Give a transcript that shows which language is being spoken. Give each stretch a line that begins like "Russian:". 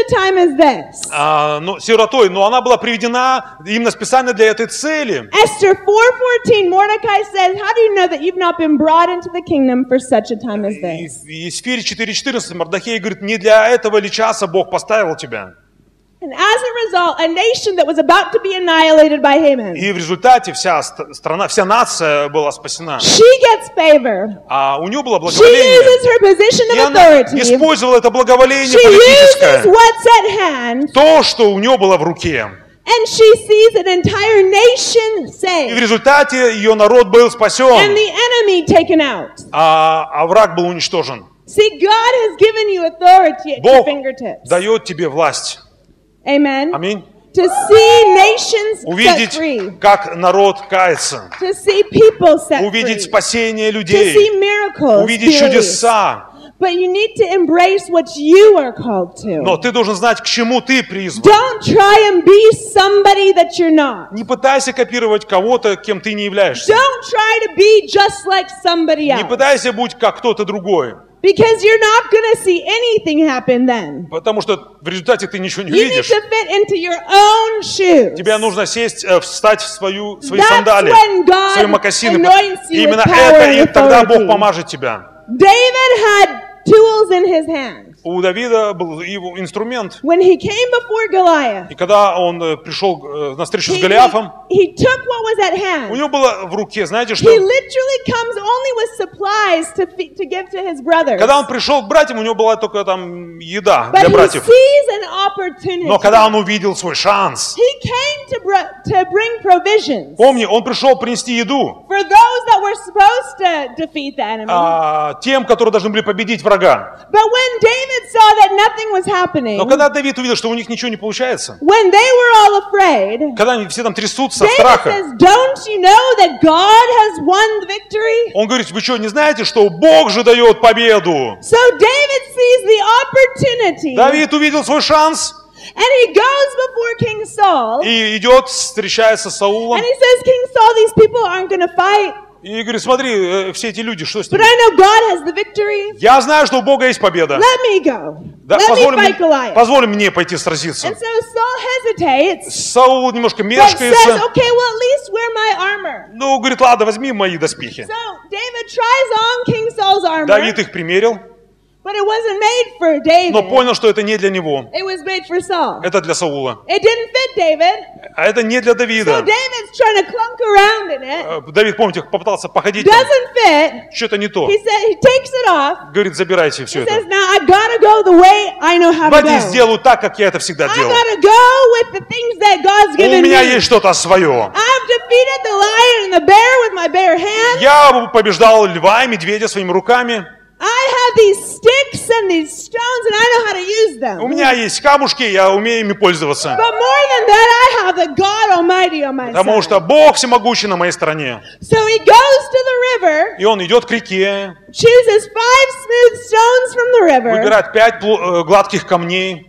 Russian: Но сиротой, но она была приведена именно специально для этой цели.
English: Esther 4:14, Mordecai says, how do you know that you've not been brought into the kingdom for such a time as this?
Russian: Эсфири 4:14, Мордехай говорит, не для этого ли часа Бог поставил тебя?
English: And as a result, a nation that was about to be annihilated by Haman.
Russian: И в результате вся страна, вся нация была спасена.
English: She gets favor.
Russian: А у нее было благоволение.
English: She uses her position of authority.
Russian: И она использовала это благоволение
English: she
Russian: политическое.
English: She uses what's at hand.
Russian: То, что у нее было в руке.
English: And she sees an entire nation saved.
Russian: И в результате ее народ был спасен.
English: And the enemy taken out.
Russian: А враг был уничтожен.
English: See, God has given you authority at your fingertips.
Russian: Бог дает тебе власть.
English: Amen.
Russian: Amen.
English: To see nations
Russian: увидеть,
English: set free.
Russian: Как народ кается.
English: To see people set
Russian: увидеть
English: free.
Russian: Спасение людей.
English: To see miracles
Russian: увидеть
English: released.
Russian: Чудеса.
English: But you need to embrace what you are called to.
Russian: Но ты должен знать, к чему ты призван.
English: Don't try and be somebody that you're not.
Russian: Не пытайся копировать кого-то, кем ты не являешься.
English: Don't try to be just like somebody else.
Russian: Не пытайся быть как кто-то другой.
English: Because you're not going to see anything happen then.
Russian: Потому что в результате ты ничего не
English: you
Russian: видишь.
English: You need to fit into your own shoes.
Russian: Тебе нужно сесть, встать в свою, свои
English: That's
Russian: сандали,
English: when God
Russian: свои мокасины.
English: Anoints you
Russian: именно
English: with power
Russian: это,
English: and authority.
Russian: И тогда Бог поможет тебе.
English: David had tools in his hands.
Russian: У Давида был его инструмент.
English: When he came before Goliath,
Russian: и когда он пришел на встречу с Голиафом,
English: he took what was at hand.
Russian: У него было в руке, знаете что?
English: He literally comes only with supplies to give to his brothers.
Russian: Когда он пришел к братьям, у него была только там еда
English: But
Russian: для братьев.
English: He sees an opportunity.
Russian: Но когда он увидел свой шанс,
English: he came to bring provisions.
Russian: Помни, он пришел принести еду.
English: For those that were supposed to defeat the enemy.
Russian: Тем, которые должны были победить врага.
English: But when David saw that nothing was happening.
Russian: Но когда Давид увидел, что у них ничего не получается.
English: When they were all afraid.
Russian: Когда они все там трясутся
English: David
Russian: от страха.
English: David says, "Don't you know that God has won the victory?"
Russian: Он говорит, вы что, не знаете, что Бог же дает победу?
English: So David sees the opportunity.
Russian: Давид увидел свой шанс.
English: And he goes before King Saul.
Russian: И идет, встречается с Саулом.
English: And he says, King Saul, these people aren't going to fight.
Russian: И говорит, смотри, все эти люди, что с ними?
English: But I know God has the victory.
Russian: Я знаю, что у Бога есть победа.
English: Let me go.
Russian: Да,
English: Let
Russian: позволь
English: me fight Goliath.
Russian: Позволь мне пойти сразиться.
English: And so Saul hesitates.
Russian: Саул немножко мешкается.
English: But says, okay, well, at least wear my armor.
Russian: Ну, говорит, ладно, возьми мои доспехи.
English: So David tries on King Saul's armor.
Russian: Давид их примерил.
English: But it wasn't made for David.
Russian: Но понял, что это не для него.
English: It was made for Saul.
Russian: Это для Саула.
English: It didn't fit David.
Russian: А это не для Давида.
English: So David's trying to clunk around in it.
Russian: Давид, помните, попытался походить.
English: Doesn't fit.
Russian: Что-то не то.
English: He said, he takes it off.
Russian: Говорит, забирайте все это.
English: He says, now I gotta go the way I know how to go.
Russian: Пойди сделаю так, как я это всегда делал.
English: I gotta go with the things that God's given me.
Russian: У меня есть что-то свое.
English: I've defeated the lion and the bear with my bare hands.
Russian: Я побеждал льва и медведя своими руками.
English: I have these sticks and these stones, and I know how to use them.
Russian: У меня есть камушки, я умею ими пользоваться.
English: But more than that, I have the God Almighty on my side.
Russian: Потому что Бог всемогущий на моей стороне.
English: So he goes to the river.
Russian: И он идет к реке.
English: Chooses five smooth stones from the river.
Russian: Выбирает пять гладких камней.